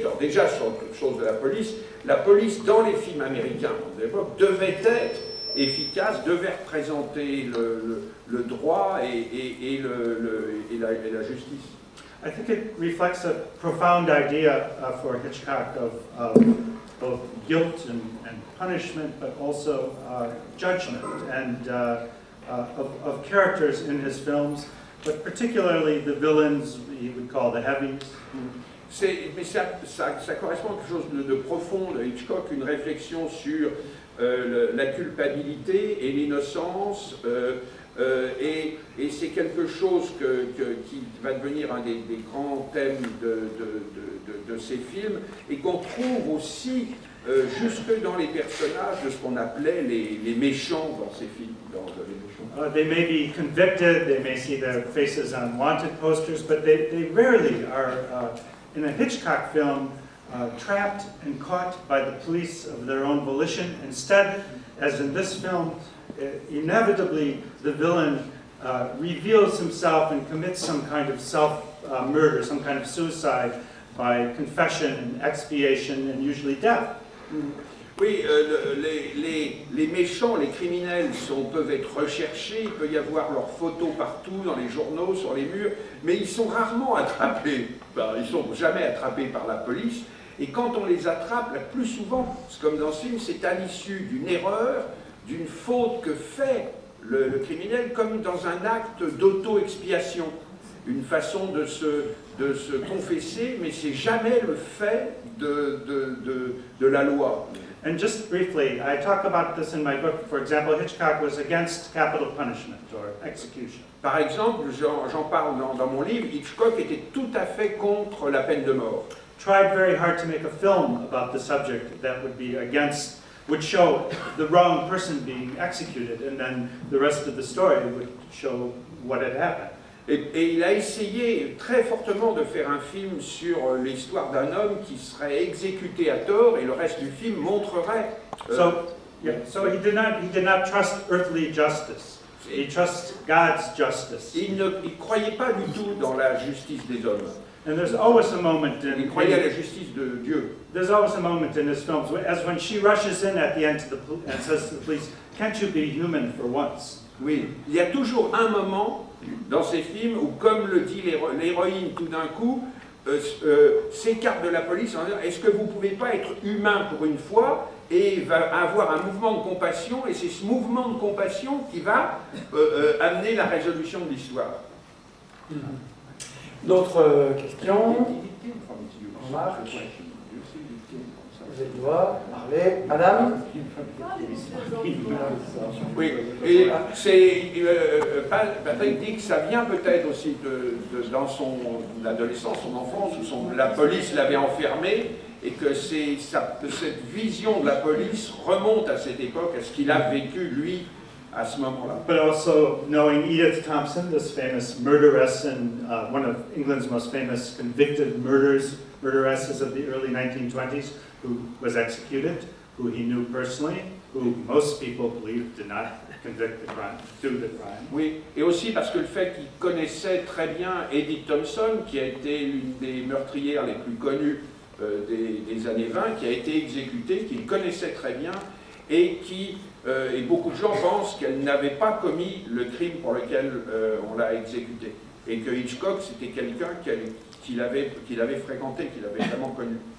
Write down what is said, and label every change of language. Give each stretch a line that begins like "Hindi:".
French: Alors déjà, sur quelque chose de la police dans les films américains de l'époque devait être efficace, devait représenter le droit et la justice.
English: I think it reflects a profound idea for Hitchcock of both guilt and punishment, but also judgment and of characters in his films, but particularly the villains he would call the heavies.
French: Ça correspond à quelque chose de profond de Hitchcock, une réflexion sur la culpabilité et l'innocence. Et c'est quelque chose qui va devenir un des grands thèmes de ces films, et qu'on trouve aussi jusque dans les personnages de ce qu'on appelait les méchants dans ces films.
English: They may be convicted, they may see their faces on wanted posters, but they rarely are, in a Hitchcock film, trapped and caught by the police of their own volition. Instead, as in this film, inevitably, the villain reveals himself and commits some kind of self-murder, some kind of suicide by confession and expiation and usually death.
French: Oui, les méchants, les criminels peuvent être recherchés, il peut y avoir leurs photos partout, dans les journaux, sur les murs, mais ils sont rarement attrapés, ils sont jamais attrapés par la police, et quand on les attrape, la plus souvent, c'est comme dans ce film, c'est à l'issue d'une erreur, d'une faute que fait le criminel, comme dans un acte d'auto-expiation, une façon de se confesser, mais c'est jamais le fait de la loi.
English: And just briefly, I talk about this in my book. For example, Hitchcock was against capital punishment or execution.
French: Par exemple, j'en parle dans mon livre, Hitchcock était tout à fait contre la peine de mort.
English: Tried very hard to make a film about the subject that would be against, would show the wrong person being executed, and then the rest of the story would show what had happened.
French: Et il a essayé très fortement de faire un film sur l'histoire d'un homme qui serait exécuté à tort, et le reste du film montrerait.
English: So he did not trust earthly justice. He trusts God's justice.
French: Il croyait pas du tout dans la justice des hommes.
English: And there's always a moment in.
French: Il croyait à la justice de Dieu.
English: There's always a moment in his films, as when she rushes in at the end to the police and says to the police, "Can't you be human for once?"
French: Oui, il y a toujours un moment dans ces films où, comme le dit l'héroïne tout d'un coup, s'écarte de la police en disant « Est-ce que vous ne pouvez pas être humain pour une fois ?» et va avoir un mouvement de compassion, et c'est ce mouvement de compassion qui va amener la résolution de l'histoire. D'autres questions ? Marc, vous êtes droit, parlez. Madame ? Oui, et c'est Patrick dit que ça vient peut-être aussi dans son adolescence, son enfance, où la police l'avait enfermé, et que cette vision de la police remonte à cette époque, à ce qu'il a vécu lui à ce moment-là.
English: But also knowing Edith Thompson, this famous murderess and one of England's most famous convicted murderesses of the early 1920s, who was executed, who he knew personally, who most people believe did not convict the crime, do the crime.
French: Oui, et aussi parce que le fait qu'il connaissait très bien Edith Thompson, qui a été l'une des meurtrières les plus connues des années 20, qui a été exécutée, qu'il connaissait très bien, et qui, et beaucoup de gens pensent qu'elle n'avait pas commis le crime pour lequel on l'a exécutée, et que Hitchcock, c'était quelqu'un qu'il avait fréquenté, qu'il avait vraiment connu.